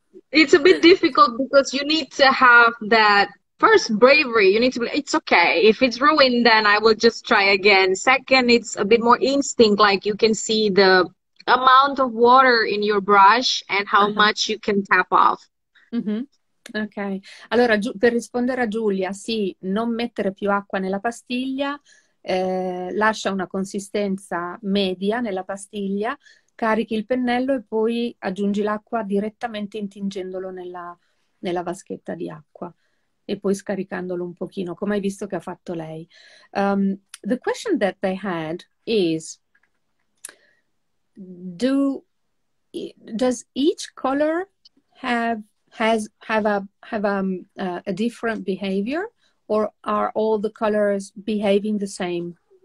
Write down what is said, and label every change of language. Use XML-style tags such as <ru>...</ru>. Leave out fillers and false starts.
<en>It's a bit difficult because you need to have that first bravery. You need to be, it's okay. If it's ruined, then I will just try again. Second, it's a bit more instinct, like you can see the amount of water in your brush and how much you can tap off. Mm-hmm. Ok.</en> <it>Allora, per rispondere a Giulia, sì, non mettere più acqua nella pastiglia, lascia una consistenza media nella pastiglia, carichi il pennello e poi aggiungi l'acqua direttamente intingendolo nella vaschetta di acqua e poi scaricandolo un pochino, come hai visto che ha fatto lei.</it> <en>The question that they had is, does each color have a different behavior, or are all the colors behaving the same?</en>